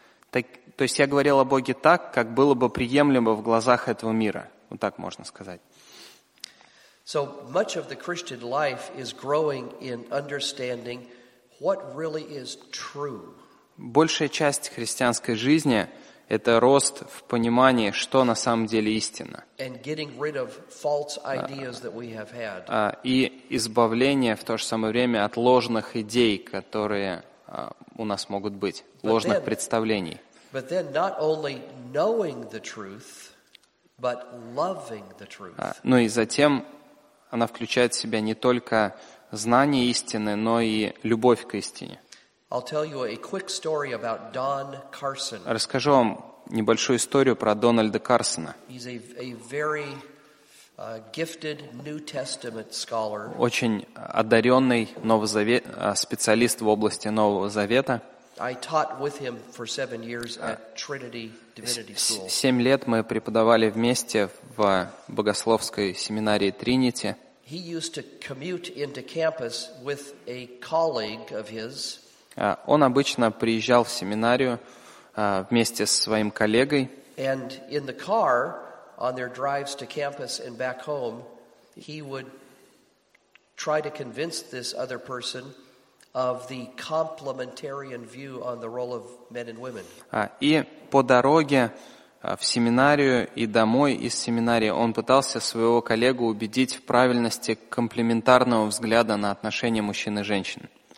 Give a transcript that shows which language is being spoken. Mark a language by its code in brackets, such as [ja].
[ru] То есть я говорил о Боге так, как было бы приемлемо в глазах этого мира. Вот так можно сказать. [en] So much of the Christian life is growing in understanding what really is true. [ru] Большая часть христианской жизни — это рост в понимании, что на самом деле истина. [en] And getting rid of false ideas that we have had. [ru] И избавление в то же самое время от ложных идей, которые у нас могут быть, ложных представлений. [en] But then not only knowing the truth, but loving the truth. [ru] Ну и затем она включает в себя не только знание истины, но и любовь к истине. [en] I'll tell you a quick story about Don Carson. [ru] Расскажу вам небольшую историю про Дональда Карсона. [en] He's a very gifted New Testament scholar. [ru] Очень одаренный специалист в области Нового Завета. [en] I taught with him for 7 years at Trinity Divinity School. [ru] 7 лет мы преподавали вместе в богословской семинарии Тринити. [en] He used to commute into campus with a colleague of his. [ru] Он обычно приезжал в семинарию вместе со своим коллегой. [en] And in the car, on their drives to campus and back home, he would try to convince this other person of the complementarian view on the role of men and women. [ru] И по дороге в семинарию и домой из семинария он пытался своего коллегу убедить в правильности комплементарного взгляда на отношения мужчин и женщин.